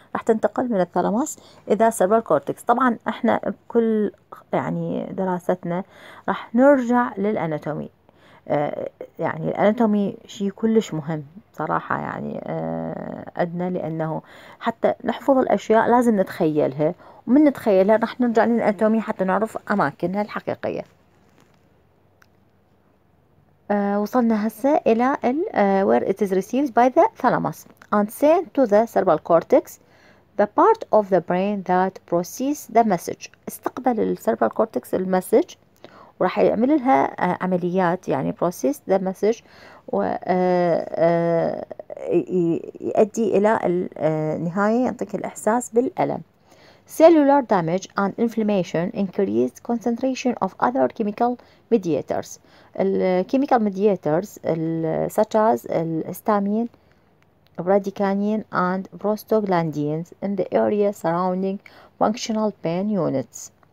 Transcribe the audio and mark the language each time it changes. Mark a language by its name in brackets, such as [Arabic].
[Arabic] راح تنتقل من الثالاموس إلى cerebral cortex. طبعا احنا بكل يعني دراستنا راح نرجع للاناتومي. يعني الاناتومي شيء كلش مهم صراحة، يعني أدنى، لأنه حتى نحفظ الأشياء لازم نتخيلها، ومن نتخيلها راح نرجع للاناتومي حتى نعرف أماكنها الحقيقية. وصلنا هسه إلى [English] where it is received by the thalamus and sent to the cerebral cortex, the part of the brain that processes the message. [Arabic] استقبل ال cerebral cortex message وراح يعمل لها عمليات، يعني [English] process the message [Arabic] ويؤدي إلى النهاية، ينطيك الإحساس بالألم. [English] Cellular damage and inflammation increase concentration of other chemical mediators. Chemical mediators such as histamine, bradykinin, and prostaglandins in the area surrounding functional pain units.